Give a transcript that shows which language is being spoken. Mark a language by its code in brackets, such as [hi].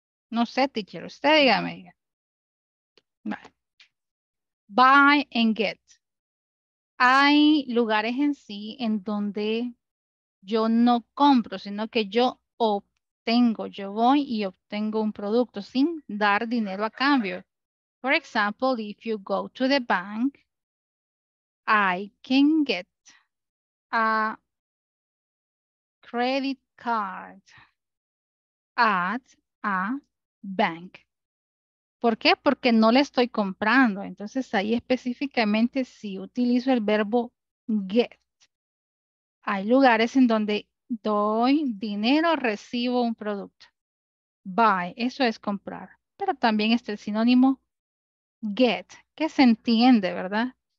[es] No sé, teacher. Usted dígame. Vale. [en] Buy and get. [es] Hay lugares en sí en donde yo no compro, sino que yo obtengo. Yo voy y obtengo un producto sin dar dinero a cambio. [en] For example, if you go to the bank, I can get a credit card at a bank. [es] ¿Por qué? Porque no le estoy comprando. Entonces ahí específicamente sí utilizo el verbo get. Hay lugares en donde doy dinero, recibo un producto. Buy, eso es comprar. Pero también está el sinónimo get, que se entiende, ¿verdad?